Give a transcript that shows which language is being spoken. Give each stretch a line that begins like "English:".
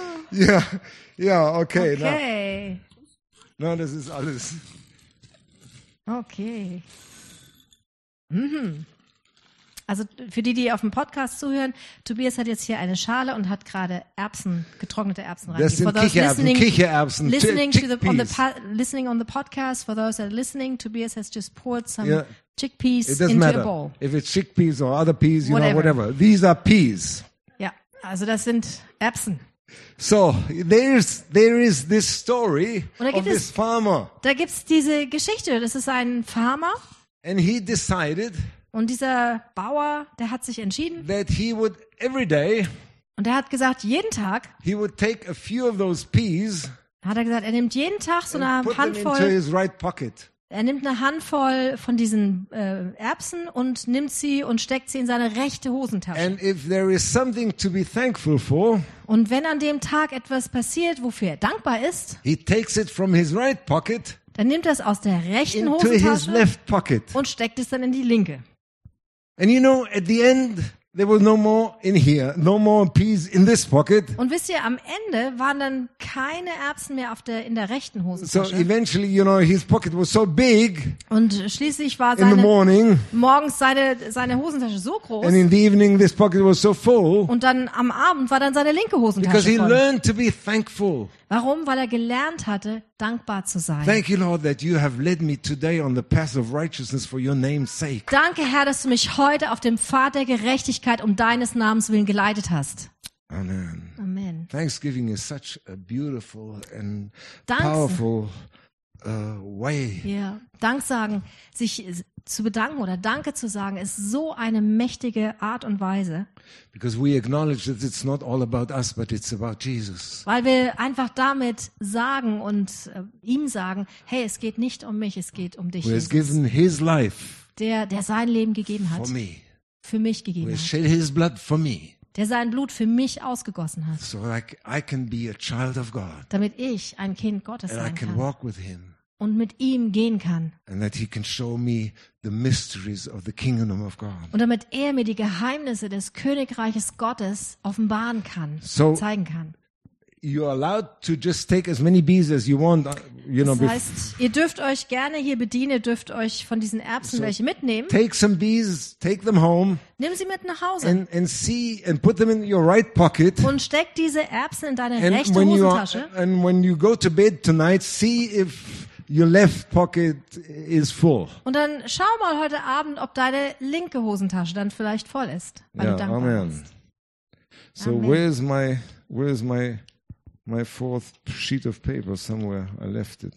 German: Ja. Ja, okay. Okay. Na, das ist alles. Okay. Mhm. Also für die, die auf dem Podcast zuhören, Tobias hat jetzt hier eine Schale und hat gerade Erbsen, getrocknete Erbsen rein. Das sind Kichererbsen.
English: Listening on the podcast, for those that are listening, Tobias has just poured some chickpeas into matter. A bowl. If it's chickpeas or other peas, you know, whatever. These are peas.
German: Ja, also das sind Erbsen.
English: So, there is this story of this farmer.
German: Da gibt's diese Geschichte, das ist ein Farmer.
English: And he decided,
German: und dieser Bauer, der hat sich entschieden,
English: that he would every day,
German: und er hat gesagt, jeden Tag,
English: he would take a few of those peas,
German: hat er gesagt, er nimmt jeden Tag so eine Handvoll,
English: into his right pocket.
German: Er nimmt eine Handvoll von diesen Erbsen und nimmt sie und steckt sie in seine rechte Hosentasche.
English: And if there is something to be thankful for,
German: und wenn an dem Tag etwas passiert, wofür er dankbar ist,
English: he takes it from his right pocket,
German: dann nimmt er es aus der rechten Hosentasche und steckt es dann in die linke.
English: And you know, at the end, there was no more in here, no more peas in this pocket.
German: Und wisst ihr, am Ende waren dann keine Erbsen mehr in der rechten Hosentasche.
English: So eventually, you know, his pocket was so big.
German: Und schließlich war seine
English: in the morning,
German: morgens seine Hosentasche so groß.
English: And in the evening, this pocket was so full.
German: Und dann am Abend war dann seine linke Hosentasche
English: because
German: voll.
English: Because he learned to be thankful.
German: Warum? Weil er gelernt hatte, dankbar zu sein.
English: Thank you, Lord, that you have led me today on the path of righteousness for your name's sake.
German: Danke, Herr, dass du mich heute auf dem Pfad der Gerechtigkeit um deines Namens willen geleitet hast. Amen. Amen.
English: Thanksgiving is such a beautiful and powerful way.
German: Ja, Danksagen, sich zu bedanken oder Danke zu sagen, ist so eine mächtige Art und Weise.
English: Because we acknowledge that it's not all about us, but it's about Jesus.
German: Weil wir einfach damit sagen und ihm sagen, hey, es geht nicht um mich, es geht um dich,
English: Jesus. Who has given his life,
German: der sein Leben gegeben hat,
English: for me.
German: Für mich gegeben hat.
English: Who has shed his blood for me.
German: Der sein Blut für mich ausgegossen hat.
English: So like I can be a child of God.
German: Damit ich ein Kind Gottes
English: and
German: sein
English: I can
German: kann.
English: Walk with him.
German: Und mit ihm gehen kann.
English: And that he can show me the mysteries of the kingdom of God.
German: Und damit er mir die Geheimnisse des Königreiches Gottes offenbaren kann,
English: so
German: zeigen kann.
English: You are allowed to just take as many bees as you want, you know.
German: Das heißt, ihr dürft euch gerne hier bedienen, ihr dürft euch von diesen Erbsen welche mitnehmen.
English: Take some bees, take them home.
German: Nimm sie mit nach Hause.
English: And see and put them in your right pocket.
German: Und steck diese Erbsen in deine rechte Hosentasche.
English: And when you go to bed tonight, see if your left pocket is full.
German: Und dann schau mal heute Abend, ob deine linke Hosentasche dann vielleicht voll ist, weil du dankbar amen. Bist. So amen.
English: where is my fourth sheet of paper somewhere. I left it.